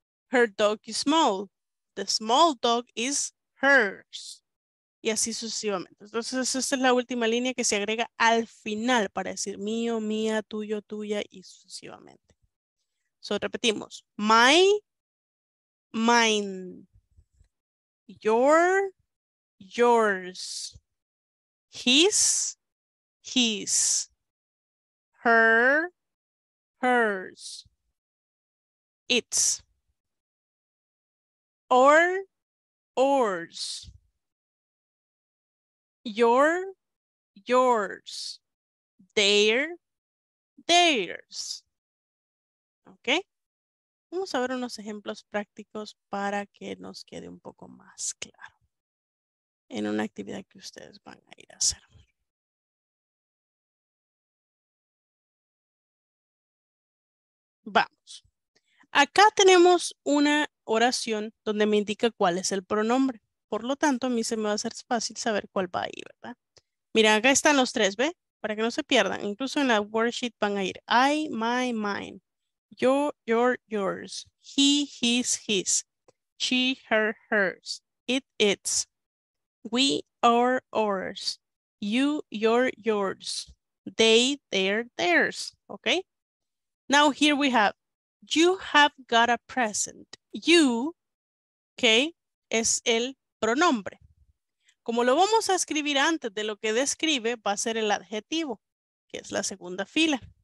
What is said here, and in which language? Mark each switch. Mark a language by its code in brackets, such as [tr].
[en] Her dog is small, the small dog is hers. [es] Y así sucesivamente. Entonces esa es la última línea que se agrega al final para decir mío, mía, tuyo, tuya y sucesivamente. [en] So [es] repetimos, [en] my, mine, your, yours, his, his. Her, hers, its, or, ours, your, yours, their, theirs. ¿Ok? [es] Vamos a ver unos ejemplos prácticos para que nos quede un poco más claro en una actividad que ustedes van a ir a hacer. Vamos. Acá tenemos una oración donde me indica cuál es el pronombre. Por lo tanto, a mí se me va a hacer fácil saber cuál va ahí, ¿verdad? Mira, acá están los tres, ¿ve? Para que no se pierdan. Incluso en la worksheet van a ir I, my, mine. [en] Your, yours. He, his. She, her, hers. It, its. We, our, ours. You, your, yours. They, their, theirs. Okay? Now here we have, you have got a present. [es] You, okay, es el pronombre. Como lo vamos a escribir antes de lo que describe, va a ser el adjetivo, que es la segunda fila.